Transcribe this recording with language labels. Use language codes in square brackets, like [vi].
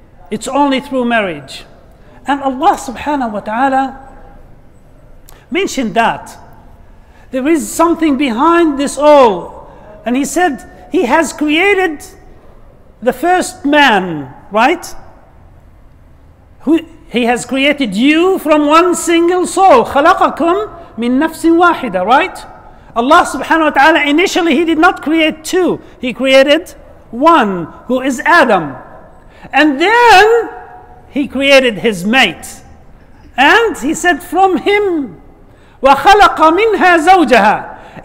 [en] It's only through marriage. And Allah subhanahu wa ta'ala mentioned that there is something behind this all. And he said he has created the first man, right? Who he has created you from one single soul. [ar] خَلَقَكُمْ مِن نَفْسٍ وَاحِدَةٍ, [en] right? Allah subhanahu wa ta'ala, initially he did not create two. He created one, who is Adam. And then he created his mate. And he said, from him. [ar] وَخَلَقَ مِنْهَا زَوْجَهَا.